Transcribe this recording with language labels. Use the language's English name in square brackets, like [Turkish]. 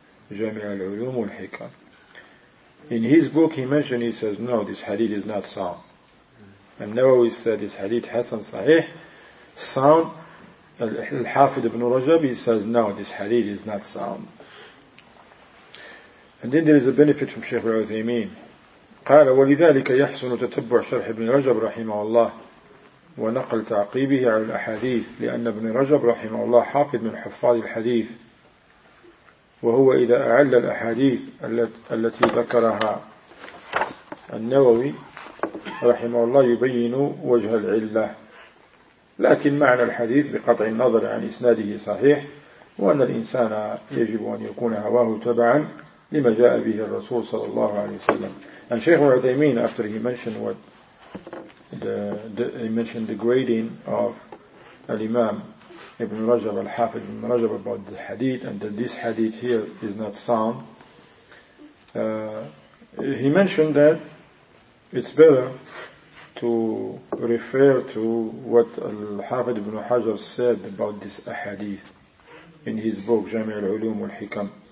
[English] Jami' al-Ulum wal-Hikam. In his book, he mentioned, he says, no, this hadith is not sound. And Nawawi said, this hadith Hassan Sahih, sound. Al-Hafidh ibn Rajab, he says, no, this hadith is not sound. And then there is a benefit from Shaykh al-Uthaymeen. [Arabic] قَالَ وَلِذَلِكَ يَحْسُنُ تَتَبُّعْ شَرْحِ ابْنِ رَجَبْ رَحِمَهُ اللَّهِ ونقل تعقيبه على الأحاديث لأن ابن رجب رحمه الله حافظ من حفاظ الحديث وهو إذا أعل الأحاديث التي ذكرها النووي رحمه الله يبين وجه العلة لكن معنى الحديث بقطع النظر عن إسناده صحيح وأن الإنسان يجب أن يكون هواه تبعا لما جاء به الرسول صلى الله عليه وسلم. [English] And Shaykh al-Uthaymeen, after he mentioned what he mentioned the grading of Al-Imam Ibn Rajab, Al-Hafidh Ibn Rajab about the hadith, and that this hadith here is not sound. He mentioned that it's better to refer to what Al-Hafidh Ibn Hajar said about this hadith in his book, Jami' al-Ulum wal-Hikam.